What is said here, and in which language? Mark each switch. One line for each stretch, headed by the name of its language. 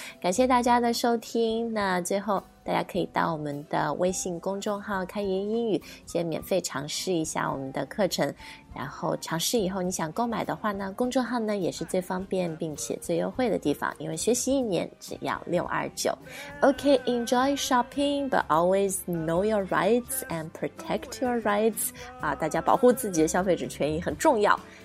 Chinese: 感谢大家的收听，那最后大家可以到我们的微信公众号开言英语先免费尝试一下我们的课程，然后尝试以后你想购买的话呢，公众号呢也是最方便并且最优惠的地方，因为学习一年只要629。
English: OK, enjoy shopping, but always know your rights and protect your rights.
Chinese: 啊，大家保护自己的消费者权益很重要。